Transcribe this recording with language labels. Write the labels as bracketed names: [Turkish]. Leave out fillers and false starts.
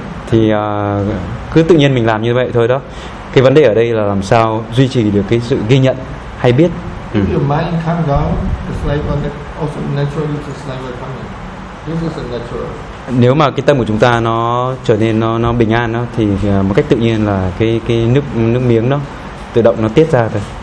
[Vietnamese] Thì cứ tự nhiên mình làm như vậy thôi đó. Cái vấn đề ở đây là làm sao duy trì được cái sự ghi nhận hay biết. [English] If your mind calm down, the saliva also naturally the saliva coming. This is a natural. [Vietnamese] Nếu mà cái tâm của chúng ta nó trở nên nó bình an đó, thì một cách tự nhiên là cái nước miếng đó tự động nó tiết ra thôi.